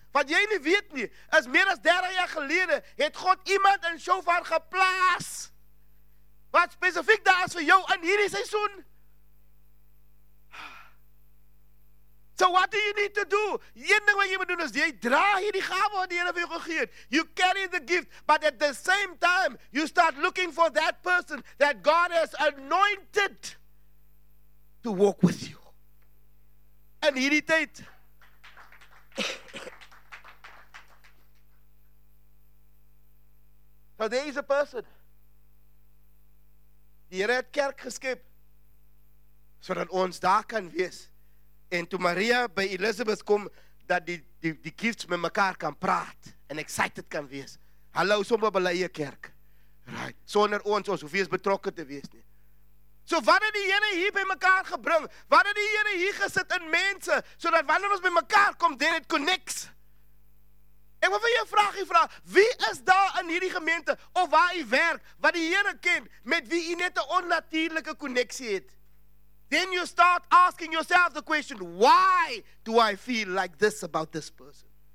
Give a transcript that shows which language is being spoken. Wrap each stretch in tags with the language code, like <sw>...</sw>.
<af>Wat jy nie weet nie, is meer as 30 jaar gelede, het God iemand in Shofar geplaas, wat specifiek daar is vir jou in hierdie seisoen.</af> <en>So what do you need to do?</en> <af>Een ding wat jy moet doen is, jy dra hierdie gawe wat die Here vir jou gegee het.</af> <en>You carry the gift, but at the same time, you start looking for that person that God has anointed to walk with you.</en> <af>In hierdie tyd,</af> <en>so there is a person.</en> <af>Die Here het kerk geskep, sodat ons daar kan wees. En toe Maria by Elisabeth kom, dat die gifts met mekaar kan praat, en excited kan wees. Hallo, sommer by die kerk. Right. Sonder ons hoef eens betrokke te wees nie. So wat het die Here hier by mekaar gebring? Wat het die Here hier gesit in mense, sodat wanneer ons by mekaar kom, dit het connects? Ek wil vir jou vraag, wie is daar in hierdie gemeente, of waar jy werk, wat die Here ken, met wie jy net 'n onnatuurlike connectie het?</af> <en>Then you start asking yourself the question, why do I feel like this about this person?</en>